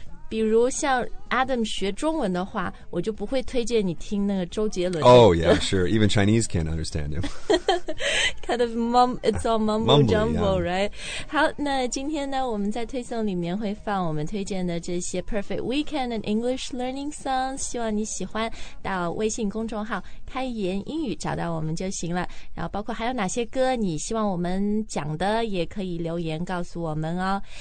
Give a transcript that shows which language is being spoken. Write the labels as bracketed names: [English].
[Chinese] 比如像 Adam 学中文的话,我就不会推荐你听那个周杰伦的歌。 [English] Oh, yeah, sure. Even Chinese can't understand him. kind of it's all mumble jumble, yeah. right? [Chinese] 好,那今天呢,我们在推送里面会放我们推荐的这些 Perfect Weekend and English Learning Songs, 希望你喜欢,到微信公众号开言英语找到我们就行了。然后包括还有哪些歌你希望我们讲的,也可以留言告诉我们哦。